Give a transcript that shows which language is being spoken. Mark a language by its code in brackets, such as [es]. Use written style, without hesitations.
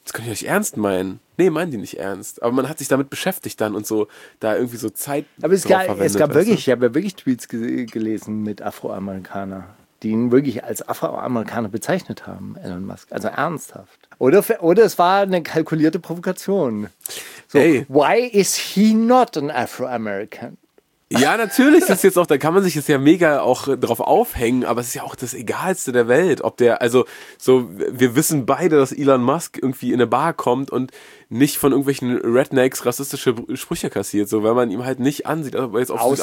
[de] Das kann ich nicht ernst meinen. Nee, meinen die nicht ernst. Aber man hat sich damit beschäftigt dann und so, da irgendwie so Zeit drauf verwendet. Aber ich habe ja wirklich Tweets gelesen mit Afroamerikaner, die ihn wirklich als Afroamerikaner bezeichnet haben, Elon Musk. Also ernsthaft. Oder es war eine kalkulierte Provokation. So, hey. [en] Why is he not an Afroamerican? [de] Ja, natürlich, das ist jetzt auch, da kann man sich jetzt ja mega auch drauf aufhängen, aber es ist ja auch das Egalste der Welt, ob der, also so, wir wissen beide, dass Elon Musk irgendwie in eine Bar kommt und nicht von irgendwelchen Rednecks rassistische Sprüche kassiert, so, weil man ihm halt nicht ansieht, aber jetzt auf Südafrika.